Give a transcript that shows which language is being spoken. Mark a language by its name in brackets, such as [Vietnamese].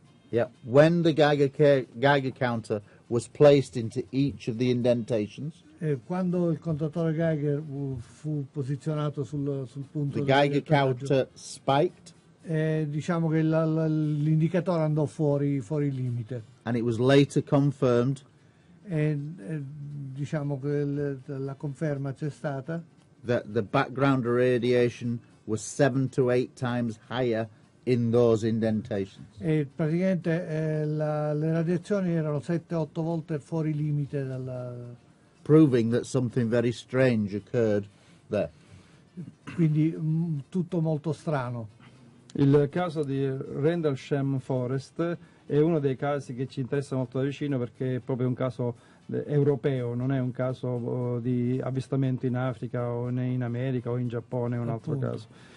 [English] Yeah, when the Geiger counter was placed into each of the indentations. [Italian] Quando il contatore Geiger fu posizionato sul punto, [English] the Geiger counter spiked. [Italian] Diciamo che l'indicatore andò fuori limite. [English] And it was later confirmed. [Italian] E diciamo che la conferma c'è stata. [English] That the background radiation was 7 to 8 times higher in those indentations. [Italian] E praticamente le radiazioni erano 7-8 volte fuori limite dalla. [English] Proving that something very strange occurred there. [Italian] Quindi tutto molto strano. Il caso di Rendlesham Forest è uno dei casi che ci interessa molto da vicino perché è proprio un caso europeo, non è un caso di avvistamento in Africa o né in America o in Giappone, è un altro caso.